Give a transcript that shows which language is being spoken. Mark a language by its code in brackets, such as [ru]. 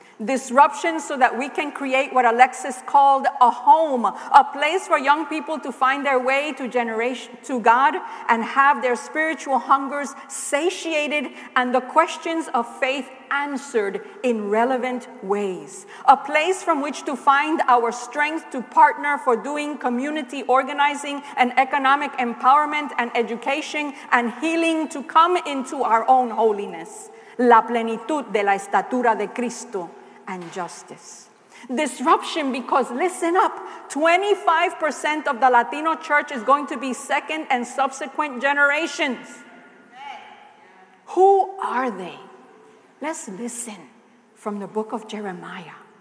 [en] Disruption so that we can create what Alexis called a home, a place for young people to find their way to God and have their spiritual hungers satiated and the questions of faith answered in relevant ways. A place from which to find our strength to partner for doing community organizing and economic empowerment and education and healing to come into our own holiness. [es] La plenitud de la estatura de Cristo. [en] And justice. Disruption because, listen up, 25% of the Latino church is going to be second and subsequent generations. Who are they? Let's listen from the book of Jeremiah.